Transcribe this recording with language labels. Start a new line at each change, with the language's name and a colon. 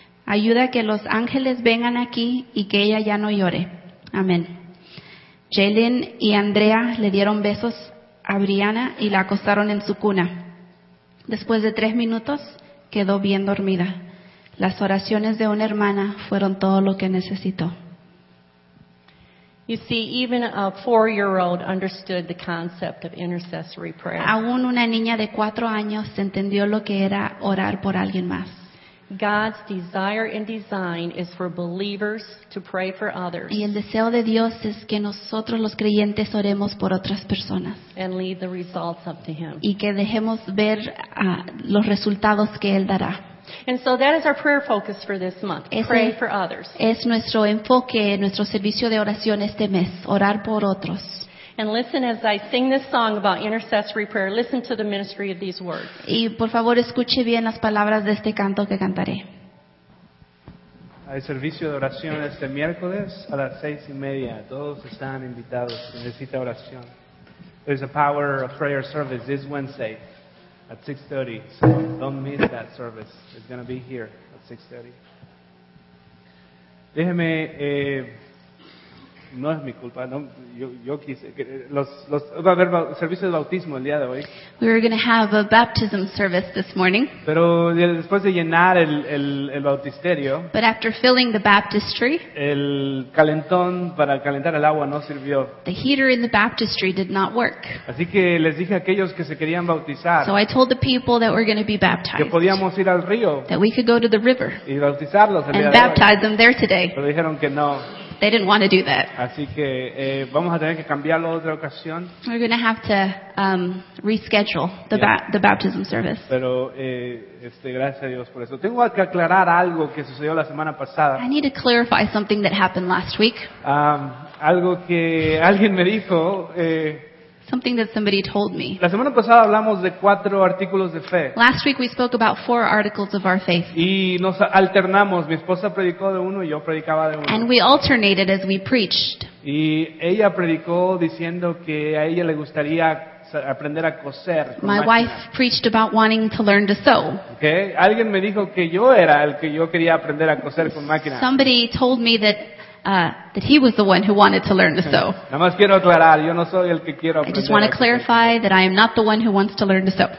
Spanish: Ayuda que los ángeles vengan aquí y que ella ya no llore. Amén. Jalen y Andrea le dieron besos a Brianna y la acostaron en su cuna. Después de 3 minutos, quedó bien dormida. Las oraciones de una hermana fueron todo lo que necesitó.
English: You see, even a 4-year-old understood the concept of intercessory prayer.
Spanish: Aún una niña de 4 años entendió lo que era orar por alguien más.
English: God's desire and design is for believers to pray for others.
Spanish: Y el deseo de Dios es que nosotros los creyentes oremos por otras personas.
English: And leave the results up to Him.
Spanish: Y que dejemos ver los resultados que Él dará.
English: And so that is our prayer focus for this month. Pray for others.
Spanish: Es nuestro enfoque, nuestro servicio de oración este mes, orar por otros.
English: And listen as I sing this song about intercessory prayer. Listen to the ministry of these words.
Spanish: Y por favor escuche bien las palabras de este canto que cantaré. Hay servicio de oración este miércoles a las 6:30. Todos están invitados. Si necesita oración.
English: There's a power of prayer service this Wednesday at 6:30. So don't miss that service. It's going to be here at 6:30.
Spanish: Déjeme. No es mi culpa. No, yo quise. Va a haber servicio de bautismo el día de hoy.
English: We were going to have a baptism service this morning.
Spanish: Pero después de llenar el bautisterio.
English: But after filling the baptistry.
Spanish: El calentón para calentar el agua no sirvió.
English: The heater in the baptistry did not work.
Spanish: Así que les dije a aquellos que se querían bautizar.
English: So I told the people that were going to be baptized.
Spanish: Que podíamos ir al río.
English: That we could go to the river.
Spanish: Y bautizarlos el día de hoy.
English: And baptize them there today.
Spanish: Pero dijeron que no.
English: They didn't want to do that.
Spanish: Así que vamos a tener que cambiarlo otra ocasión.
English: We're going to have to reschedule the the baptism service.
Spanish: Pero gracias a Dios por eso. Tengo que aclarar algo que sucedió la semana pasada.
English: I need to clarify something that happened last week.
Spanish: Algo que alguien me dijo.
English: Something that somebody told me.
Spanish: La semana pasada hablamos de 4 artículos de fe.
English: Last week we spoke about 4 articles of our faith.
Spanish: Y nos alternamos. Mi esposa predicó de uno y yo predicaba de uno.
English: And we alternated as we preached.
Spanish: Y ella predicó diciendo que a ella le gustaría aprender a coser.
English: My wife preached about wanting to learn to sew. Okay.
Spanish: Alguien me dijo que yo era el que yo quería aprender a coser con máquina.
English: Somebody told me that he was the one who wanted to learn to sew.
Spanish: Nada más quiero aclarar, yo no soy el que quiero aprender.
English: I just want to clarify that I am not the one who wants to learn to sew.